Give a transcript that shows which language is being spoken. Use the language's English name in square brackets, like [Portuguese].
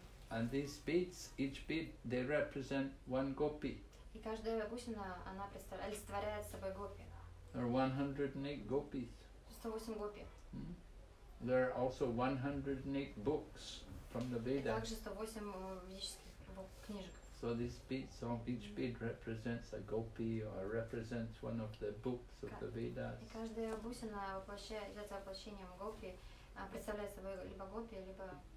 [English] And these beads, each bead, they represent one gopi. [Russian] И каждая бусина, она олицетворяет собой гопи. [English] There are 108 gopis. [Russian] 108 гопи. [English] There are also 108 books from the Veda. [Russian] И также 108 ведических книжек. [English] So these beads, each bead represents a gopi or represents one of the books of the Vedas. [Russian] И каждая бусина является воплощением гопи, представляет собой либо гопи, либо